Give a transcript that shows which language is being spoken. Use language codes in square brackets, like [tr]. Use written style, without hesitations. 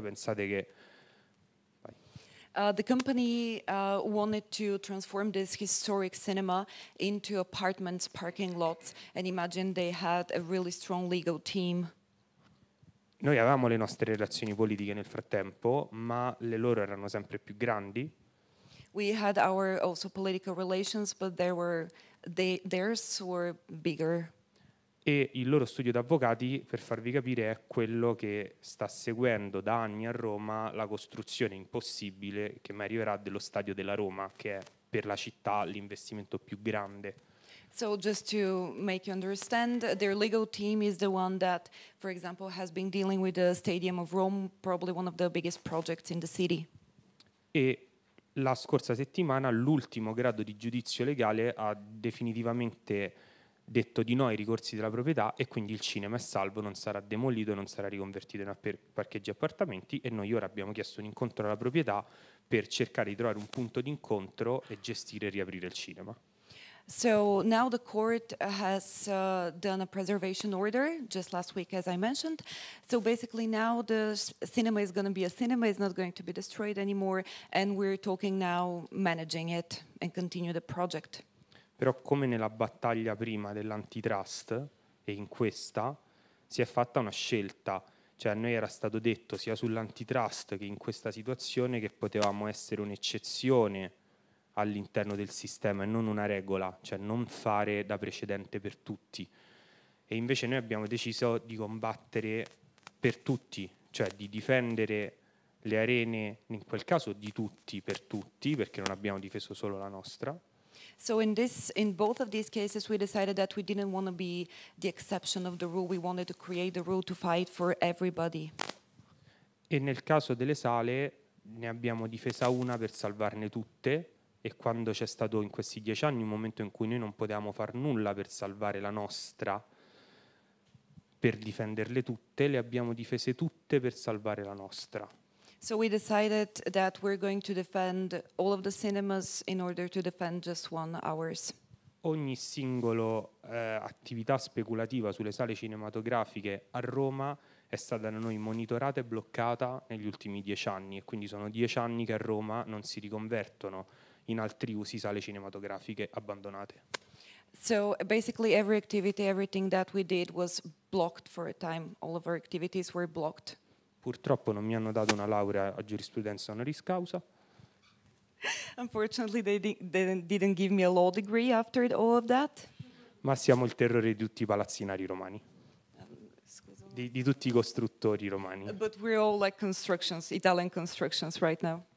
[it] Pensate che [en] The company wanted to transform this historic cinema into apartments, parking lots, and imagine they had a really strong legal team. [it] Noi avevamo le nostre relazioni politiche nel frattempo, ma le loro erano sempre più grandi. [en] We had our also political relations, but theirs were bigger. [it] E il loro studio d'avvocati, per farvi capire, è quello che sta seguendo da anni a Roma la costruzione impossibile che mai arriverà dello stadio della Roma, che è per la città l'investimento più grande. [en] So just to make you understand, their legal team is the one that, for example, has been dealing with the Stadium of Rome, probably one of the biggest projects in the city. [it] E la scorsa settimana l'ultimo grado di giudizio legale ha definitivamente detto di no ai ricorsi della proprietà e quindi il cinema è salvo, non sarà demolito, non sarà riconvertito in parcheggi appartamenti, e noi ora abbiamo chiesto un incontro alla proprietà per cercare di trovare un punto d'incontro e gestire e riaprire il cinema. [en] So now the court has done a preservation order just last week, as I mentioned. So basically now the cinema is going to be a cinema, it's not going to be destroyed anymore, and we're talking now managing it and continue the project. [it] Però come nella battaglia prima dell'antitrust e in questa, si è fatta una scelta. Cioè a noi era stato detto sia sull'antitrust che in questa situazione che potevamo essere un'eccezione all'interno del sistema e non una regola, cioè non fare da precedente per tutti. E invece noi abbiamo deciso di combattere per tutti, cioè di difendere le arene, in quel caso di tutti per tutti, perché non abbiamo difeso solo la nostra. [en] So in both of these cases we decided that we didn't want to be the exception of the rule, we wanted to create the rule to fight for everybody. [it] E nel caso delle sale ne abbiamo difesa una per salvarne tutte, e quando c'è stato in questi 10 anni un momento in cui noi non potevamo far nulla per salvare la nostra, per difenderle tutte, le abbiamo difese tutte per salvare la nostra. [en] So we decided that we're going to defend all of the cinemas in order to defend just one ours. [it] Ogni singolo attività speculativa sulle sale cinematografiche a Roma è stata da noi monitorata e bloccata negli ultimi 10 anni, e quindi sono 10 anni che a Roma non si riconvertono in altri usi sale cinematografiche abbandonate. [en] So basically every activity, everything that we did was blocked for a time. All of our activities were blocked. [it] Purtroppo non mi hanno dato una laurea a giurisprudenza honoris causa. [en] Unfortunately they didn't give me a law degree after all of that. [it] Ma siamo il terrore di tutti i palazzinari romani. Di tutti i costruttori romani. [en] But we're all like constructions, Italian constructions right now.